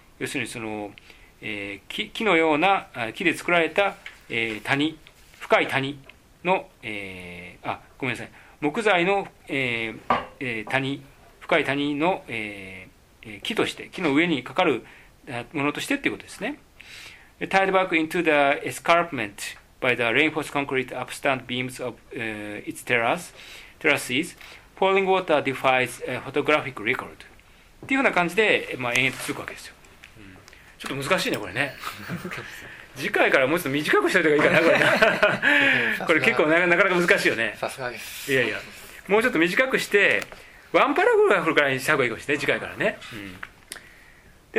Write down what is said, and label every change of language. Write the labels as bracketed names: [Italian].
[Japanese] 要するにその、木のような木で作られた、谷、深い谷の、ごめんなさい。木材の、谷、深い谷の、木として、木の上にかかるものとしてっていうことですね。 [English] Tied back into the escarpment by the reinforced concrete upstand beams of、its terraces, falling water defies a photographic record. [Japanese] っていうような感じで、まあ、延々と続くわけですよ、うん。ちょっと難しいね、これね。次回からもうちょっと短くしておいた方がいいかな、これ、ね、これ結構なかなか難しいよね。さすがです。いやいや、もうちょっと短くしてワンパラグラフからにした方がいいかもしれない、次回からね、うん。